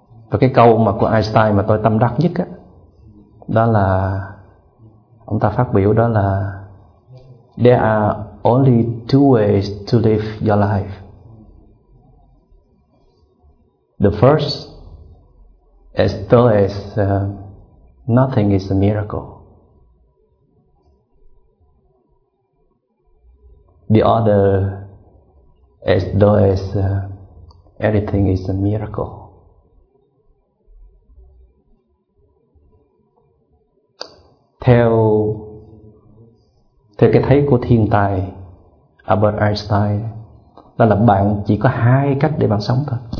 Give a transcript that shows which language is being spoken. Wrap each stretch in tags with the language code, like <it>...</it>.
<vi>Và cái câu mà của Einstein mà tôi tâm đắc nhất á, đó là ông ta phát biểu, đó là</vi> <en>"There are only two ways to live your life. The first is though as nothing is a miracle. The other is though as everything is a miracle."</en> <vi>Theo cái thấy của thiên tài Albert Einstein, đó là bạn chỉ có hai cách để bạn sống thôi.</vi>